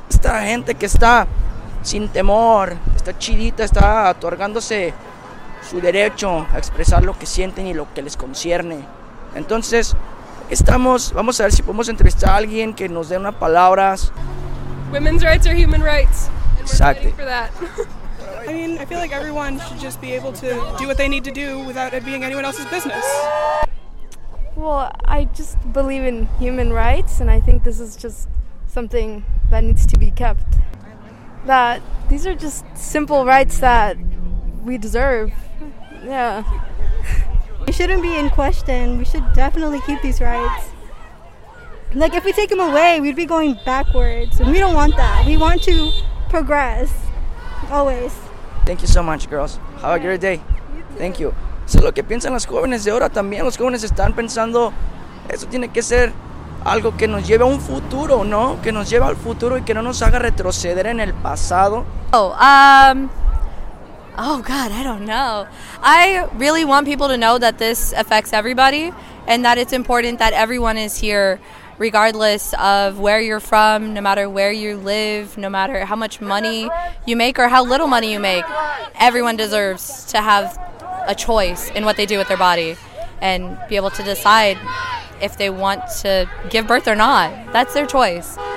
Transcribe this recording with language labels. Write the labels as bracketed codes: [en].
[es] Esta gente que está sin temor, está chidita, está otorgándose su derecho a expresar lo que sienten y lo que les concierne. Entonces, vamos a ver si podemos entrevistar a alguien que nos dé unas palabras. [en] Women's rights are human rights. [es] Exacto. [en] I mean, I feel like everyone should just be able to do what they need to do without it being anyone else's business. Well, I just believe in human rights, and I think this is just something that needs to be kept. That these are just simple rights that we deserve. Yeah. We shouldn't be in question. We should definitely keep these rights. Like, if we take them away, we'd be going backwards, and we don't want that. We want to progress. Always. Thank you so much, girls. Have a great day. Thank you. [es] So, lo que piensan las jóvenes de ahora también, los jóvenes están pensando, eso tiene que ser algo que nos lleve a un futuro, ¿no? Que nos lleve al futuro y que no nos haga retroceder en el pasado. [en] Oh, God, I don't know. I really want people to know that this affects everybody and that it's important that everyone is here, regardless of where you're from, no matter where you live, no matter how much money you make or how little money you make, everyone deserves to have a choice in what they do with their body and be able to decide if they want to give birth or not. That's their choice.